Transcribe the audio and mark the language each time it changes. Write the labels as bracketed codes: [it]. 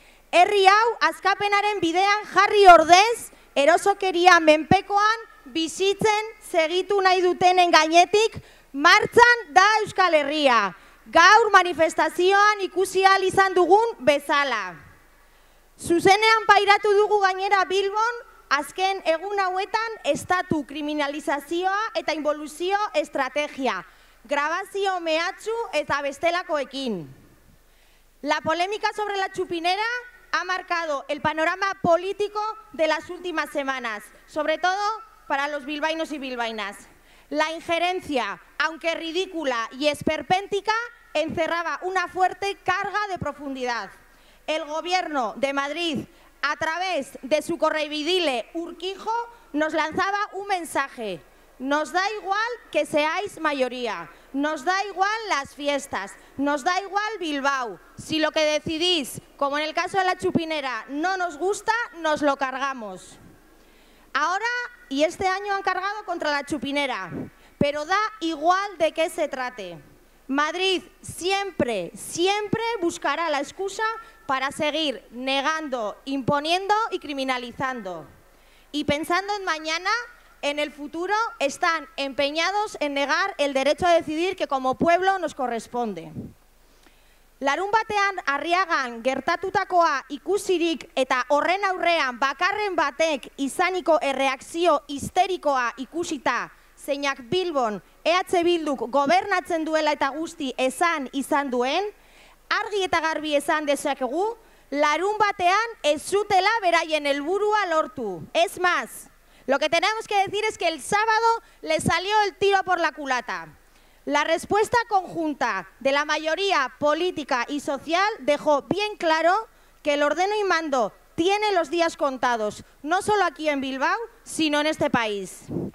[eu] Herri hau askapenaren bidean jarri ordez, erosokeria menpekoan bizitzen segitu nahi dutenen gainetik, martxan da Euskal Herria, gaur manifestazioan ikusi ahal izan dugun bezala. Zuzenean pairatu dugu gainera Bilbon, azken egun hauetan estatu kriminalizazioa eta involuzio estrategia, grabazio mehatxu eta bestelakoekin. [es] La polémica sobre la chupinera ha marcado el panorama político de las últimas semanas, sobre todo para los bilbainos y bilbainas. La injerencia, aunque ridícula y esperpéntica, encerraba una fuerte carga de profundidad. El gobierno de Madrid, a través de su correveidile Urquijo, nos lanzaba un mensaje. Nos da igual que seáis mayoría, nos da igual las fiestas, nos da igual Bilbao. Si lo que decidís, como en el caso de la chupinera, no nos gusta, nos lo cargamos. Ahora y este año han cargado contra la chupinera, pero da igual de qué se trate. Madrid siempre, siempre buscará la excusa para seguir negando, imponiendo y criminalizando. Y pensando en mañana, en el futuro, están empeñados en negar el derecho a decidir que como pueblo nos corresponde. [eu] Larunbatean Arriagan gertatutakoa ikusirik eta horren aurrean bakarren batek izaniko erreakzio histerikoa ikusita, zeinak Bilbon EH Bilduk gobernatzen duela eta guzti esan izan duen, argi eta garbi esan dezakegu, larunbatean ez zutela beraien helburua lortu. [es] Ez más, lo que tenemos que decir es que el sábado le salió el tiro por la culata. La respuesta conjunta de la mayoría política y social dejó bien claro que el ordeno y mando tiene los días contados, no solo aquí en Bilbao, sino en este país.